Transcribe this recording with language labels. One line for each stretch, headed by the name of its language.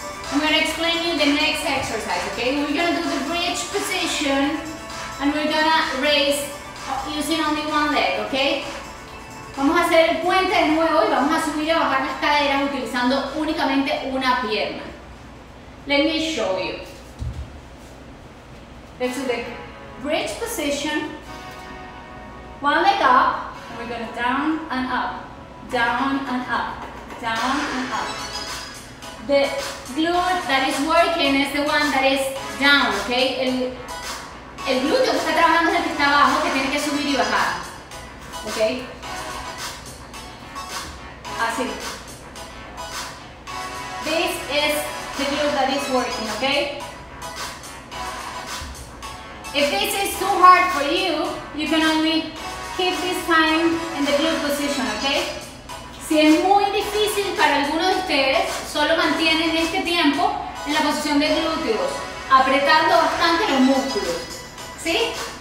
English: I'm gonna explain you the next exercise, okay? We're gonna do the bridge position and we're gonna raise using only one leg, okay?
Spanish: Vamos a hacer el puente de nuevo y vamos a subir y bajar las caderas utilizando únicamente una pierna.
English: Let me show you. Let's do the bridge position. One leg up, and we're gonna down and up. Down and up. Down and up. The glute that is working is the one that is down, okay?
Spanish: El glúteo que está trabajando es el que está abajo, que tiene que subir y bajar.
English: Okay?
Spanish: Así.
English: This is the glute that is working, okay? If this is too hard for you, you can only keep this time in the glute position, okay?
Spanish: Si es muy difícil para alguno de ustedes, solo mantienen este tiempo en la posición de glúteos, apretando bastante los músculos, ¿sí?